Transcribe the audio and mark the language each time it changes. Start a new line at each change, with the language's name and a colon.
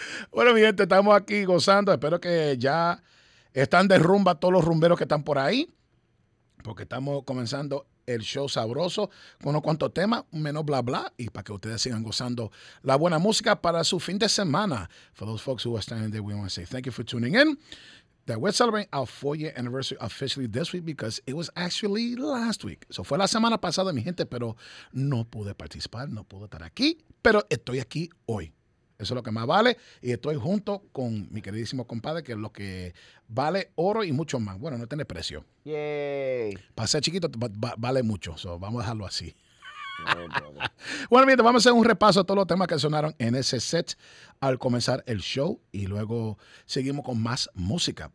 Spanish: Bueno, mi gente, estamos aquí gozando. Espero que ya están de rumba todos los rumberos que están por ahí, porque estamos comenzando el show sabroso, con unos cuantos temas, menos bla bla, y para que ustedes sigan gozando la buena música para su fin de semana.
English: For those folks who are standing there, we want to say thank you for tuning in. That we're celebrating our 4-year anniversary officially this week, because it was actually last week.
Spanish: So fue la semana pasada, mi gente, pero no pude participar, no pude estar aquí, pero estoy aquí hoy. Eso es lo que más vale, y estoy junto con mi queridísimo compadre, que es lo que vale oro y mucho más. Bueno, no tiene precio. ¡Yay! Para ser chiquito vale mucho, so vamos a dejarlo así. Bueno, mientras vamos a hacer un repaso a todos los temas que sonaron en ese set al comenzar el show, y luego seguimos con más música.